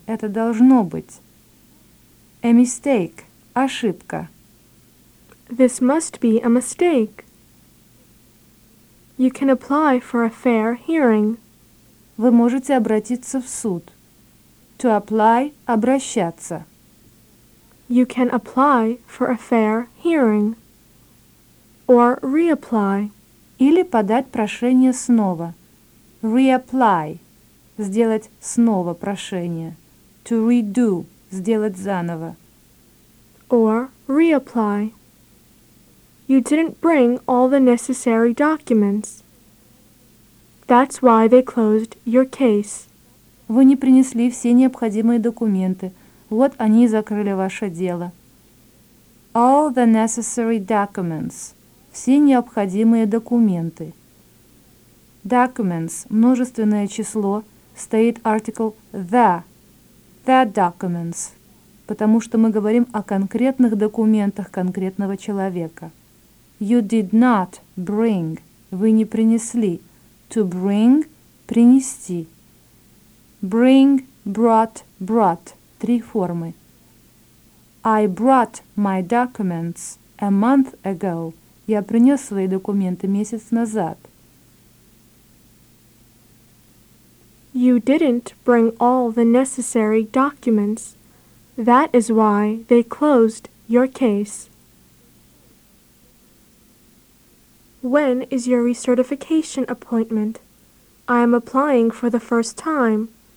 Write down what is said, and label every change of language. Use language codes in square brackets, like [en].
[ru] Это должно быть. [en] A mistake. [ru] Ошибка. [en] This must be a mistake. You can apply for a fair hearing. [ru] Вы можете обратиться в суд. [en] To apply. [ru] Обращаться. [en] You can apply for a fair hearing. Or reapply. [ru] Или подать прошение снова. [en] Reapply. [ru] Сделать снова прошение. [en] To redo. [ru] Сделать заново. [en] Or reapply. You didn't bring all the necessary documents. That's why they closed your case. [ru] Вы не принесли все необходимые документы. Вот они и закрыли ваше дело. [en] All the necessary documents. [ru] Все необходимые документы. Documents, множественное число, стоит [en] article the. The documents. [ru] Потому что мы говорим о конкретных документах конкретного человека. [en] You did not bring. [ru] Вы не принесли. [en] To bring, [ru] принести. [en] Bring, brought, brought. [ru] Три формы. [en] I brought my documents a month ago. [ru] Я принес свои документы месяц назад. [en] You didn't bring all the necessary documents. That is why they closed your case. When is your recertification appointment? I am applying for the first time.